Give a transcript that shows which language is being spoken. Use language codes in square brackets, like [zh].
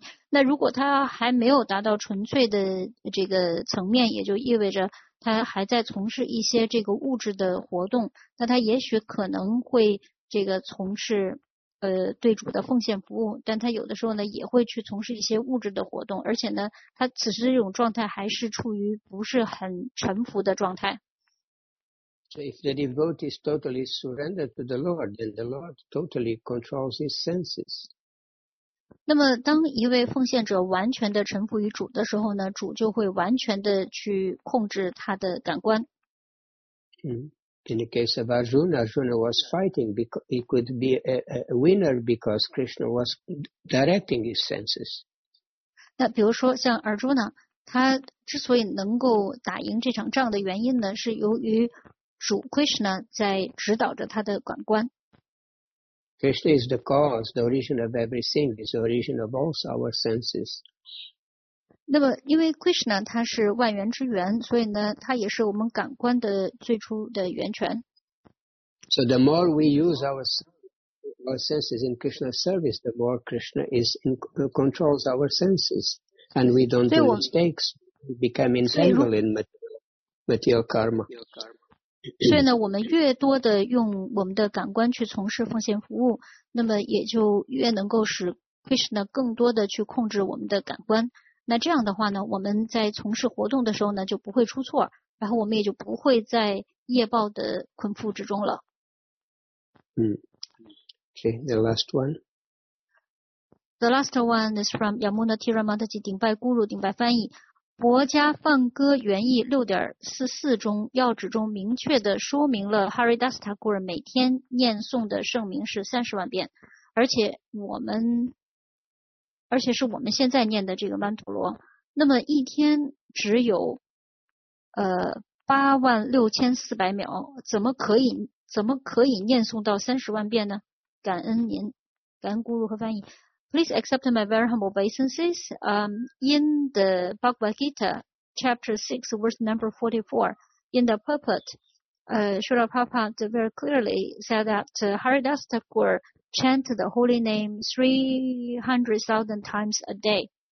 [zh] 那如果他还没有达到纯粹的这个层面，也就意味着他还在从事一些这个物质的活动，那他也许可能会这个从事对主的奉献服务，但他有的时候呢也会去从事一些物质的活动，而且呢他此时这种状态还是处于不是很臣服的状态。 [en] So if the devotee is totally surrendered to the Lord, then the Lord totally controls his senses. [zh] 那么当一位奉献者完全的臣服于主的时候呢，主就会完全的去控制他的感官。 [en] In the case of Arjuna, Arjuna was fighting because he could be a winner because Krishna was directing his senses. [zh] 那比如说像 Arjuna, 他之所以能够打赢这场仗的原因呢，是由于主 Krishna 在指导着他的感官。 [en] Krishna is the cause, the origin of everything, is the origin of all our senses. [zh] 那么因为 Krishna 他是万源之源，所以呢他也是我们感官的最初的源泉。 [en] So the more we use our senses in Krishna's service, the more Krishna is in, controls our senses. And we don't do mistakes, we become entangled in material karma. [zh] 所以呢我们越多的用我们的感官去从事奉献服务，那么也就越能够使 Krishna 更多的去控制我们的感官。那这样的话呢，我们在从事活动的时候呢，就不会出错，然后我们也就不会在业报的捆缚之中了。 [en] Okay, the last one. The last one is from Yamuna Tiramataji Dingbai Guru Dingbai Fan Yi. [zh] 国家梵歌原意 6.44 中要旨中明确地说明了 Haridas Thakur 每天念诵的圣名是30万遍，而且是我们现在念的这个曼陀罗。那么一天只有86400秒，怎么可以念诵到30万遍呢？感恩您，感恩咕噜和翻译。 [en] Please accept my very humble obeisances. In the Bhagavad Gita, chapter 6, verse number 44, in the purport, Srila Prabhupada very clearly said that Haridas Thakur chant the holy name 300,000 times a day.